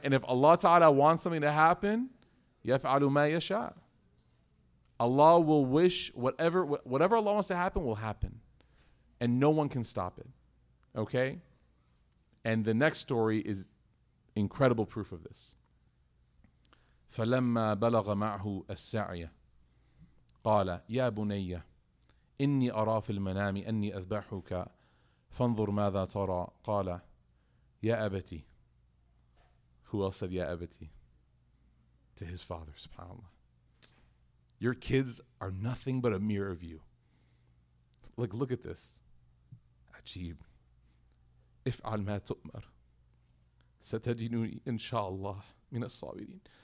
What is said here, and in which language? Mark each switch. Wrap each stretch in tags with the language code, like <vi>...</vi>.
<en>And if Allah Ta'ala wants something to happen,</en> <ar>يَفْعَلُ مَا يَشَاءُ.</ar> <en>Allah will wish whatever Allah wants to happen will happen. And no one can stop it, okay? And the next story is incredible proof of this.</en> <ar>فَلَمَّا بَلَغَ مَعْهُ السَّعْيَ قال يا بني إني أرى في المنام أني أذبحك فانظر ماذا ترى قال يا أبتي.</ar> <en>Who else said</en> <ar>يا أبتي</ar> <en>to his father, subhanAllah? Your kids are nothing but a mirror of you. Like, look at this. عجيب.</en> <ar>افعل ما تؤمر ستجدني إن شاء الله من الصابرين.</ar>